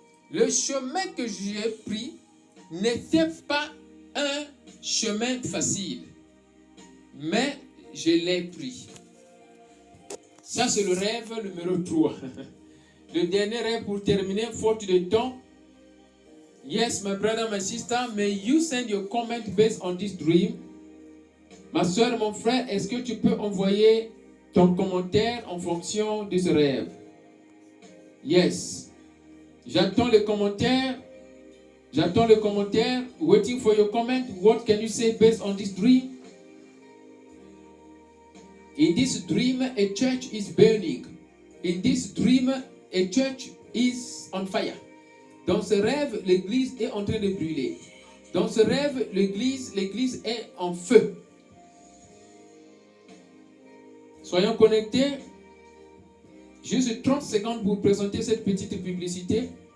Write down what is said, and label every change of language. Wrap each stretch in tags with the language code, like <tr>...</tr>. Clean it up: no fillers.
<fr>Le chemin que j'ai pris n'était pas un chemin facile, mais je l'ai pris. Ça, c'est le rêve numéro 3. Le dernier rêve pour terminer, faute de temps.</fr> <en>Yes, my brother, my sister, may you send your comment based on this dream.</en> <fr>Ma soeur, mon frère, est-ce que tu peux envoyer ton commentaire en fonction de ce rêve? Yes. J'attends les commentaires. J'attends les commentaires.</fr> <en>Waiting for your comment. What can you say based on this dream? In this dream, a church is burning. In this dream, a church is on fire.</en> <fr>Dans ce rêve, l'église est en train de brûler. Dans ce rêve, l'église est en feu. Soyons connectés. Juste 30 secondes pour présenter cette petite publicité.</fr>